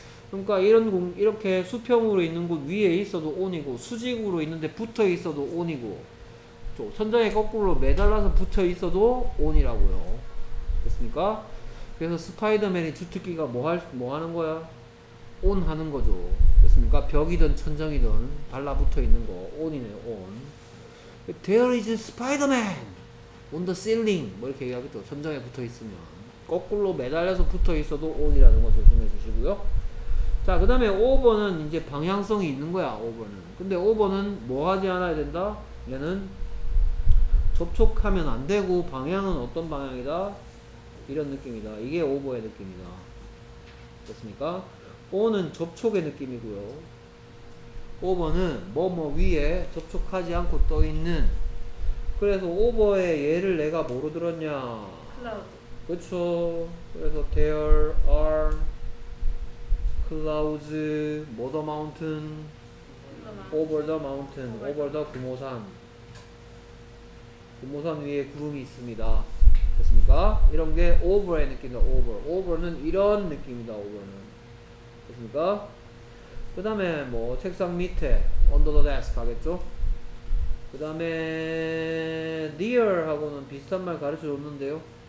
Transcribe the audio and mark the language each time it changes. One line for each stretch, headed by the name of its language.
Korean: 그러니까 이런 공, 이렇게 수평으로 있는 곳 위에 있어도 on이고, 수직으로 있는데 붙어 있어도 on이고, 또 천장에 거꾸로 매달라서 붙어 있어도 on이라고요. 됐습니까? 그래서 스파이더맨이 주특기가 뭐 하는 거야? on 하는 거죠. 됐습니까? 벽이든 천장이든 달라붙어 있는 거 on이네요.
English: on. There is a Spider-Man on the ceiling.
Korean: 뭐 이렇게 얘기하겠죠. 천장에 붙어 있으면. 거꾸로 매달려서 붙어 있어도 on이라는 거 조심해 주시고요. 자, 그 다음에 over는 이제 방향성이 있는 거야. over는. 근데 over는 뭐 하지 않아야 된다? 얘는 접촉하면 안 되고 방향은 어떤 방향이다? 이런 느낌이다. 이게 over의 느낌이다. 됐습니까? on은 접촉의 느낌이고요. over는 뭐뭐 위에 접촉하지 않고 떠 있는. 그래서 over의 예를 내가 뭐로 들었냐?
English: cloud.
Korean: 그쵸.
English: 그래서 there are clouds, over the mountain, over the mountain, over the 구모산.
Korean: 구모산 위에 구름이 있습니다. 됐습니까? 이런 게 over의 느낌이다. over. over는 이런 느낌이다. over는. 됐습니까? 그 다음에 뭐 책상 밑에 under the desk 하겠죠? 그 다음에 near 하고는 비슷한 말 가르쳐 줬는데요.